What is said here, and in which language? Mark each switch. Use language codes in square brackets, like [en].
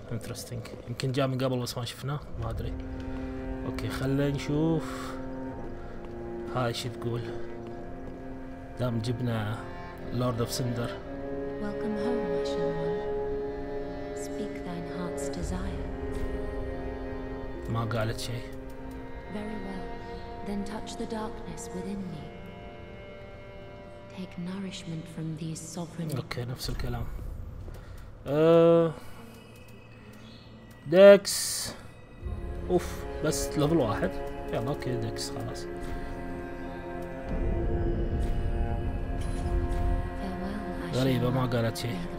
[ar] انترستينج، يمكن جاء من قبل بس ما شفناه ما ادري. اوكي خلينا نشوف هاي شو تقول دام جبنا لورد اوف سندر. [en] welcome home [ar] ما شاء الله، [en] Speak thine heart's desire. [ar] ما قالت شيء. [en] Very well then touch the darkness within me. Take nourishment from these sovereign. [ar] Okay, نفس الكلام. دكس. أوف. بس level واحد. يلا أوكي دكس خلاص. غريبة ما قالت شيء.